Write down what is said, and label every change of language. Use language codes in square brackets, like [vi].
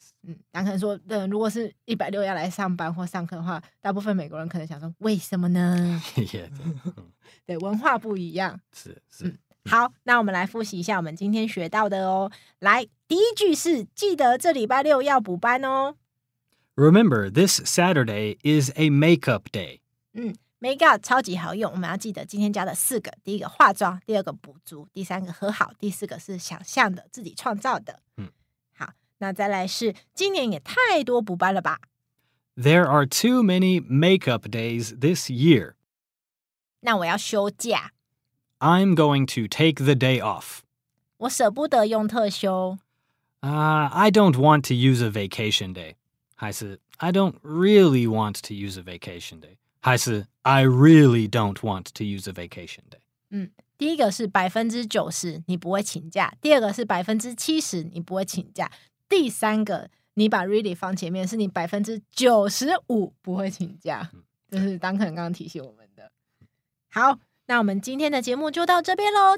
[zh] 嗯，然后可能说如果是160要来上班或上课的话，大部分美国人可能想说为什么呢？对，文化不一样。是、嗯、好，那我们来复习一下我们今天学到的哦。来，第一句是记得这礼拜六要补班哦。 [en] Remember, this Saturday is a makeup day. [zh] 嗯， makeup 超级好用，我们要记得今天加的四个，第一个化妆，第二个补足，第三个和好，第四个是想象的自己创造的。嗯，那再来是今年也太多补班了吧。 [en] There are too many makeup days this year. [zh] 那我要休假。 [en] I'm going to take the day off. [zh] 我舍不得用特休。 [en] I don't want to use a vacation day. [zh] 还是 [en] I don't really want to use a vacation day. [zh] 还是 [en] I really don't want to use a vacation day. [zh] 第一个是 90% 你不会请假，第二个是 70% 你不会请假，第三个你把 really 放前面，是你95%不会请假。这是Duncan刚刚提醒我们的。好，那我们今天的节目就到这边咯。